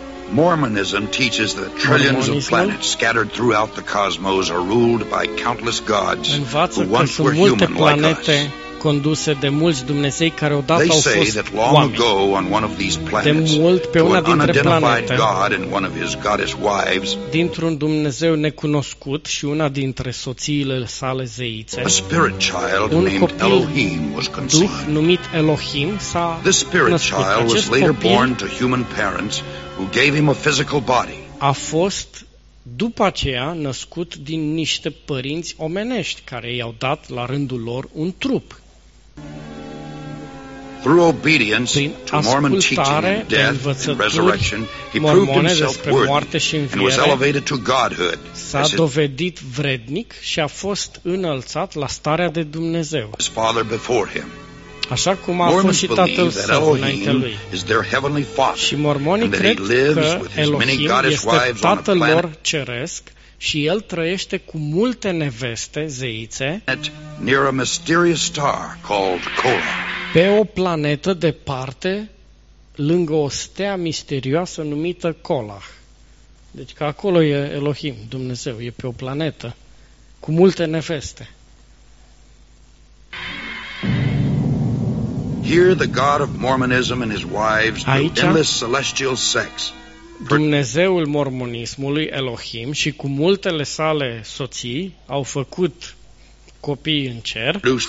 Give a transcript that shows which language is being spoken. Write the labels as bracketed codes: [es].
[en] Mormonism teaches that trillions of planets scattered throughout the cosmos are ruled by countless gods who once were human like us. They say that long ago on one of these planets, to an unidentified god and one of his goddess wives, [ro] dintr-un Dumnezeu necunoscut și una dintre soțiile sale zeițe, [en] a spirit child named Elohim was conceived. This spirit child was later born to human parents who gave him a physical body. [ro] A fost după aceea născut din niște părinți omenești care i-au dat la rândul lor un trup. [en] Through obedience to Mormon teaching and death and resurrection, he proved himself worthy and was elevated to godhood. [ro] S-a dovedit vrednic și a fost înălțat la starea de Dumnezeu. [en] His father before him. [ro] Așa cum a fost și tatăl său înainte lui. Și mormonii cred că Elohim este tatăl lor ceresc și el trăiește cu multe neveste zeițe pe o planetă departe lângă o stea misterioasă numită Kolah. Deci că acolo e Elohim, Dumnezeu, e pe o planetă cu multe neveste. [en] Here the God of Mormonism and his wives through endless celestial sex. [ro] Dumnezeul mormonismului Elohim și cu multele sale soții au făcut copii în cer.